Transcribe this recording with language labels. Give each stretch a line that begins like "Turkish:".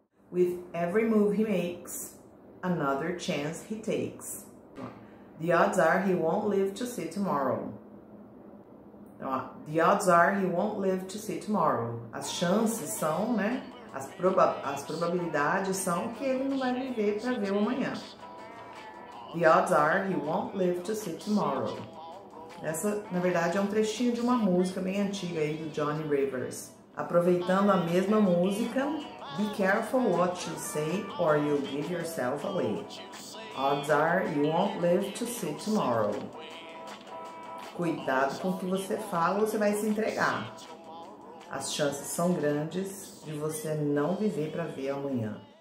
English: With every move he makes, another chance he takes. The odds are he won't live to see tomorrow. The odds are he won't live to see tomorrow.
Portuguese: As chances são, né? As probabilidades são que ele não vai viver para ver o amanhã.
English: The odds are he won't live to see tomorrow.
Portuguese: Essa, na verdade, é um trechinho de uma música bem antiga aí do Johnny Rivers. Aproveitando a mesma música,
English: be careful what you say or you'll give yourself away. Odds are you won't live to see tomorrow.
Portuguese: Cuidado com o que você fala, você vai se entregar. As chances são grandes de você não viver para ver amanhã.